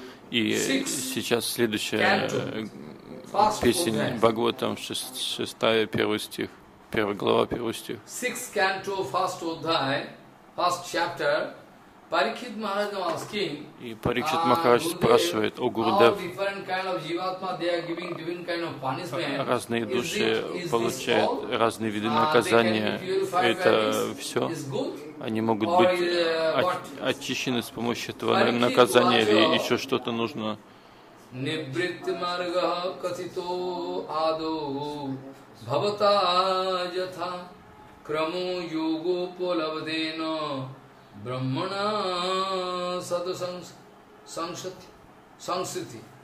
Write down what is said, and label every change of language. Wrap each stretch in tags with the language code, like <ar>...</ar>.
<ru>И сейчас следующая песня Бхагаватам, 6, 1 стих, 1 глава, 1 стих.</ru> <en>6 canto, first odhai, first chapter. Parikshit Maharaj is asking.</en> <ru>И Парикшит Махарадж спрашивает о Гурудев.</ru> <en>How different kind of jivatma they are giving different kind of punishment?</en> <ru>Разные души получают разные виды наказания. Это все? Они могут быть очищены с помощью этого наказания или еще что-то нужно?</ru> <sa>Nibritti marga kathito ado bhavata yatha kramo yogo polavadena brahmana sadhu sanskriti.</sa>